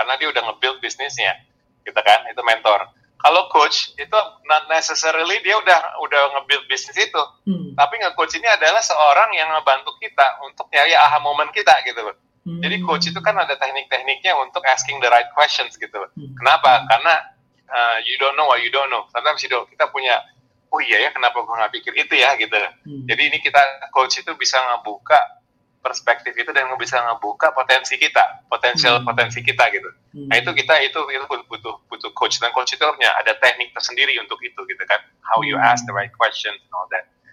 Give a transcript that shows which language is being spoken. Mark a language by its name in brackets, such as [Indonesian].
[Indonesian] Karena dia udah nge-build bisnisnya gitu kan, itu mentor. Kalau coach itu [English] not necessarily [Indonesian] dia udah nge-build bisnis itu. Tapi nge-coach ini adalah seorang yang ngebantu kita untuk nyari aha moment kita gitu. Jadi coach itu kan ada teknik-tekniknya untuk [English] asking the right questions [Indonesian] gitu. Kenapa? Karena [English] you don't know what you don't know. Sometimes you don't. [Indonesian] Kita punya, oh iya ya, kenapa gua nggak pikir itu ya gitu. Jadi ini kita coach itu bisa ngebuka perspektif itu dan bisa ngebuka potensi kita, potensial potensi kita gitu. Nah itu kita itu butuh coach, dan coach itu ada teknik tersendiri untuk itu gitu kan, [English] how you ask the right questions and all that.